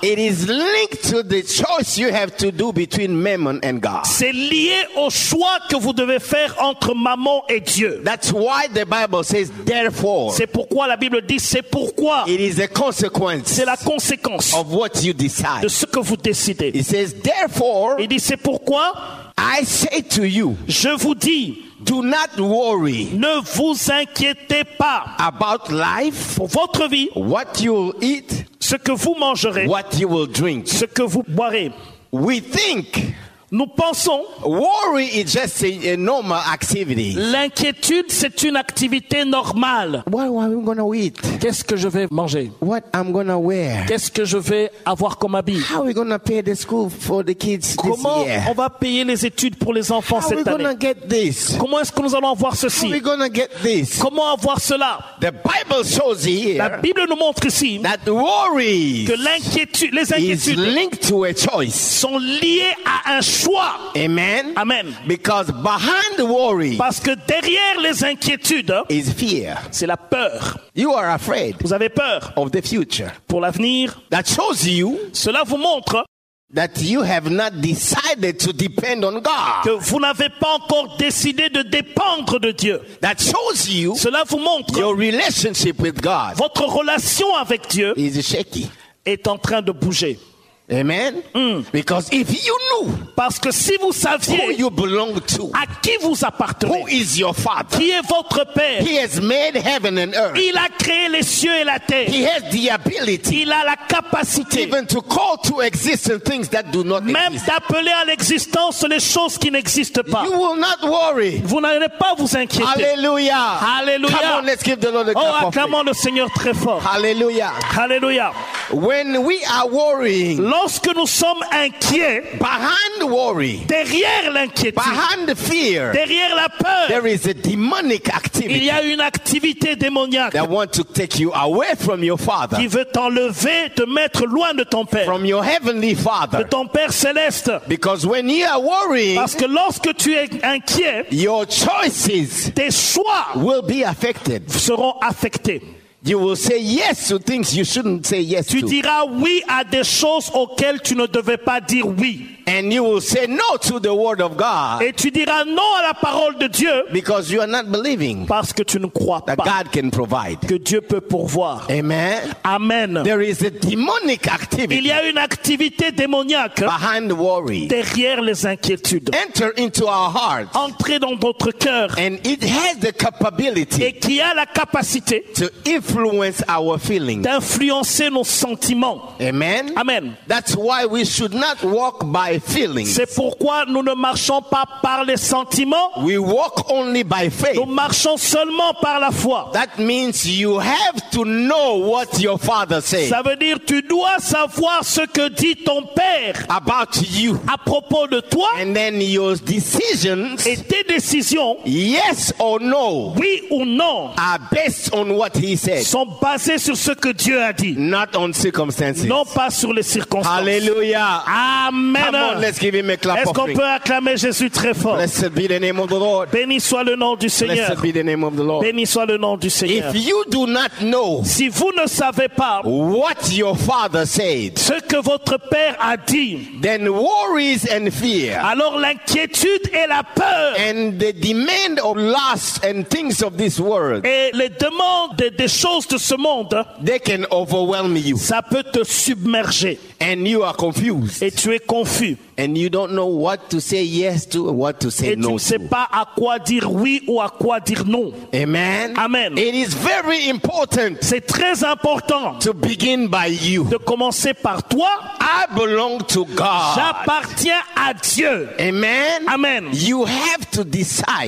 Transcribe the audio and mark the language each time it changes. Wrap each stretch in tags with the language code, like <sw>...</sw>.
<en>it is linked to the choice you have to do between Mammon and God.</en> <fr>C'est lié au choix que vous devez faire entre Mammon et Dieu.</fr> <en>That's why the Bible says therefore.</en> <fr>C'est pourquoi la Bible dit c'est pourquoi.</fr> <en>It is a consequence.</en> <fr>C'est la conséquence</fr> <en>of what you decide.</en> <fr>De ce que vous décidez.</fr> <en>It says therefore.</en> <fr>Il dit c'est pourquoi.</fr> <en>I say to you.</en> <fr>Je vous dis.</fr> <en>Do not worry.</en> <fr>Ne vous inquiétez pas.</fr> <en>About life.</en> <fr>Pour votre vie.</fr> <en>What you will eat.</en> <fr>Ce que vous mangerez.</fr> <en>What you will drink.</en> <fr>Ce que vous boirez.</fr> <en>We think.</en> <fr>Nous pensons.</fr> <en>Worry is just a normal activity.</en> <fr>L'inquiétude, c'est une activité normale.</fr> <en>What am I gonna eat?</en> <fr>Qu'est-ce que je vais manger?</fr> <en>What I'm gonna wear?</en> <fr>Qu'est-ce que je vais avoir comme habit?</fr> <en>How are we gonna pay the school for the kids this year?</en> <fr>Comment on va payer les études pour les enfants cette année?</fr> <en>How are we gonna get this?</en> <fr>Comment est-ce que nous allons avoir ceci?</fr> <en>How are we gonna get this?</en> <fr>Comment avoir cela?</fr> <en>The Bible shows here.</en> <fr>La Bible nous montre ici.</fr> <en>That worry.</en> <fr>Que l'inquiétude, les inquiétudes,</fr> <en>is linked to a choice.</en> <fr>Sont liées à un choix.</fr> <en>Amen.</en> <fr>Amen.</fr> <en>Because behind the worry,</en> <fr>parce que derrière les inquiétudes,</fr> <en>is fear.</en> <fr>C'est la peur.</fr> <en>You are afraid.</en> <fr>Vous avez peur</fr> <en>of the future.</en> <fr>Pour l'avenir.</fr> <en>That shows you.</en> <fr>Cela vous montre</fr> <en>that you have not decided to depend on God.</en> <fr>Que vous n'avez pas encore décidé de dépendre de Dieu.</fr> <en>That shows you.</en> <fr>Cela vous montre</fr> <en>your relationship with God.</en> <fr>Votre relation avec Dieu</fr> <en>is shaky.</en> <fr>Est en train de bouger.</fr> <en>Amen. Mm. Because if you knew,</en> <fr>parce que si vous saviez,</fr> <en>who you belong to,</en> <fr>à qui vous appartenez,</fr> <en>who is your father,</en> <fr>qui est votre père,</fr> <en>he has made heaven and earth,</en> <fr>il a créé les cieux et la terre,</fr> <en>he has the ability,</en> <fr>il a la capacité,</fr> <en>even to call to existence things that do not</en> <fr>même</fr> <en>exist,</en> <fr>même d'appeler à l'existence les choses qui n'existent pas.</fr> <en>You will not worry.</en> <fr>Vous n'allez pas vous inquiéter.</fr> <en>Hallelujah.</en> <fr>Hallelujah.</fr> <en>Come on, let's give the Lord a clap.</en> <fr>Oh, acclamons le Seigneur très fort.</fr> <en>Hallelujah.</en> <fr>Hallelujah.</fr> <en>When we are worrying.</en> <fr>Lorsque nous sommes inquiets,</fr> <en>behind worry,</en> <fr>derrière l'inquiétude,</fr> <en>behind fear,</en> <fr>derrière la peur,</fr> <en>there is a demonic activity,</en> <fr>il y a une activité démoniaque</fr> <en>that want to take you away from your father,</en> <fr>qui veut t'enlever, te mettre loin de ton père,</fr> <en>from your heavenly father,</en> <fr>de ton père céleste.</fr> <en>Because when you are worrying,</en> <fr>parce que lorsque tu es inquiet,</fr> <en>your choices,</en> <fr>tes choix,</fr> <en>will be affected,</en> <fr>seront affectés.</fr> <en>You will say yes to things you shouldn't say yes</en> <fr>to. Tu diras oui à des choses auxquelles tu ne devais pas dire oui.</fr> <en>And you will say no to the word of God.</en> <fr>Et tu diras non à la parole de Dieu.</fr> <en>Because you are not believing.</en> <fr>Parce que tu ne crois</fr> <en>pas. That God can provide.</en> <fr>Que Dieu peut pourvoir.</fr> <en>Amen.</en> <fr>Amen.</fr> <en>There is a demonic activity.</en> <fr>Il y a une activité démoniaque.</fr> <en>Behind the worry.</en> <fr>Derrière les inquiétudes.</fr> <en>Enter into our hearts.</en> <fr>Entrer dans notre cœur.</fr> <en>And it has the capability.</en> <fr>Et qui a la capacité.</fr> <en>To influence our feelings.</en> <fr>D'influencer nos sentiments.</fr> <en>Amen.</en> <fr>Amen.</fr> <en>That's why we should not walk by feelings.</en> <fr>C'est pourquoi nous ne marchons pas par les sentiments.</fr> <en>We walk only by faith.</en> <fr>Nous marchons seulement par la foi.</fr> <en>That means you have to know what your father says.</en> <fr>Ça veut dire tu dois savoir ce que dit ton père</fr> <en>about you.</en> <fr>À propos de toi.</fr> <en>And then your decisions.</en> <fr>Et tes décisions.</fr> <en>Yes or no.</en> <fr>Oui ou non.</fr> <en>Are based on what he said.</en> <fr>Sont basées sur ce que Dieu a dit.</fr> <en>Not on circumstances.</en> <fr>Non pas sur les circonstances.</fr> <en>Hallelujah.</en> <fr>Amen.</fr> <en>Come on, let's give him a clap.</en> <fr>Est-ce qu'on peut acclamer Jésus très fort?</fr> <en>Blessed be the name of the Lord.</en> <fr>Béni soit le nom du Seigneur.</fr> <en>Blessed be the name of the Lord.</en> <fr>Béni soit le nom du Seigneur.</fr> <en>If you do not know,</en> <fr>si vous ne savez pas,</fr> <en>what your father said,</en> <fr>ce que votre père a dit,</fr> <en>then worries and fear,</en> <fr>alors l'inquiétude et la peur,</fr> <en>and the demand of lust and things of this world,</en> <fr>et les demandes des choses de ce monde,</fr> <en>they can overwhelm you.</en> <fr>Ça peut te submerger.</fr> <en>And you are confused.</en> <fr>Et tu es confus.</fr> <en>And you don't know what to say yes to or what to say no to.</en> <fr>Et tu ne sais pas à quoi dire oui ou à quoi dire non.</fr> <en>Amen.</en> <fr>Amen.</fr> <en>It is very important.</en> <fr>C'est très important.</fr> <en>To begin by you.</en> <fr>De commencer par toi.</fr> <en>I belong to God.</en> <fr>J'appartiens à Dieu.</fr> <en>Amen.</en> <fr>Amen.</fr> <en>You have to decide.</en>